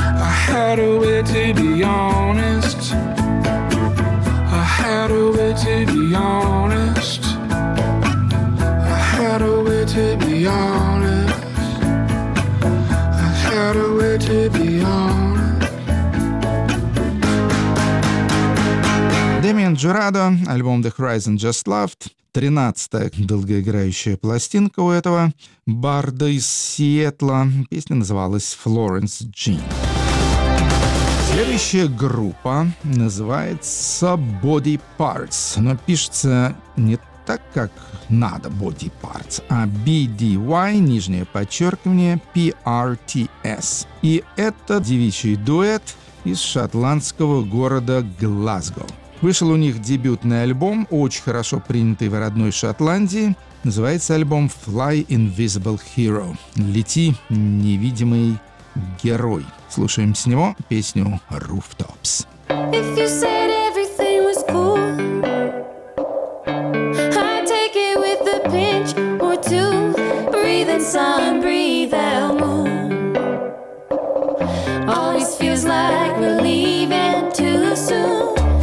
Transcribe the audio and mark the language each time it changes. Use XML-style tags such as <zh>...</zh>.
<en>I had a way to be honest. I had a way to be honest. I had a way to be honest. I had a way to be honest.</en> <ru>Дэмиан Джурадо, альбом «The Horizon Just Laughed», 13-я долгоиграющая пластинка у этого барда из Сиэтла. Песня называлась «Florence Jean». Следующая группа называется «Body Parts», но пишется не так, как надо «Body Parts», а «BDY», нижнее подчеркивание, «PRTS». И это девичий дуэт из шотландского города Глазго. Вышел у них дебютный альбом, очень хорошо принятый в родной Шотландии. Называется альбом «Fly Invisible Hero» — «Лети, невидимый герой». Слушаем с него песню «Rooftops».</ru> <en>If you said everything was cool, I'd take it with a pinch or two. Breathe in sun, breathe out moon. Always feels like we're leaving too soon.</en>